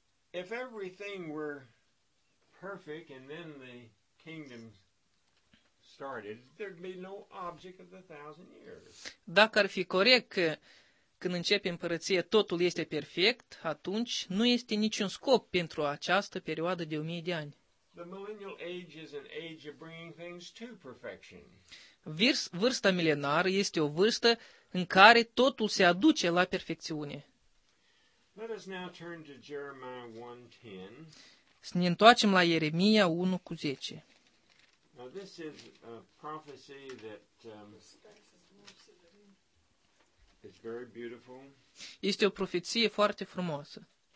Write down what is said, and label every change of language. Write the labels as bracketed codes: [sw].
[en] If everything were perfect and then the kingdom started, there'd be no object of the 1,000 years. [ro] Dacă ar fi corect că când începe împărăția totul este perfect, atunci nu este niciun scop pentru această perioadă de 1,000 de ani. [en] The millennial age is an age of bringing things to perfection. [ro] Vârsta milenară este o vârstă în care totul se aduce la perfecțiune. [en] Let us now turn to Jeremiah 1:10. [ro] Să ne întoarcem la Ieremia 1:10. [en] Now this is a prophecy that is very beautiful. [ro] Este o profeție foarte frumoasă.